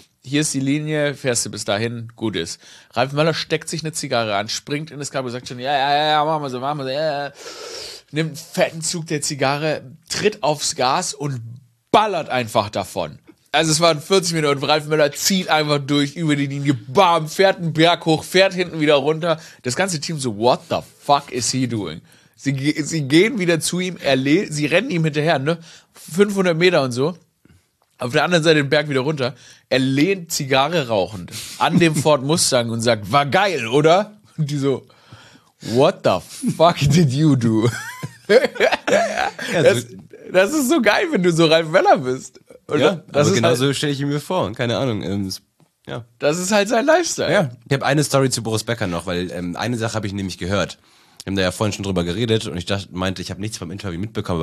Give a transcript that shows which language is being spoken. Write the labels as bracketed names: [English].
[German] Hier ist die Linie, fährst du bis dahin, gut ist. Ralf Möller steckt sich eine Zigarre an, springt in das Kabel, sagt schon, ja, mach mal so, ja. Nimmt einen fetten Zug der Zigarre, tritt aufs Gas und ballert einfach davon. Also es waren 40 Minuten und Ralf Möller zieht einfach durch über die Linie, bam, fährt einen Berg hoch, fährt hinten wieder runter. Das ganze Team so, [English] what the fuck is he doing? [German] Sie gehen wieder zu ihm, sie rennen ihm hinterher, ne? 500 Meter und so. Auf der anderen Seite den Berg wieder runter. Er lehnt Zigarre rauchend an dem Ford Mustang und sagt, war geil, oder? Und die so, [English] what the fuck did you do? [German] Das ist so geil, wenn du so Ralf Möller bist. Oder? Ja, das aber genau so halt, stelle ich ihn mir vor. Keine Ahnung. Ja. Das ist halt sein Lifestyle. Ja. Ich habe eine Story zu Boris Becker noch, weil eine Sache habe ich nämlich gehört. Wir haben da ja vorhin schon drüber geredet und ich habe nichts vom Interview mitbekommen.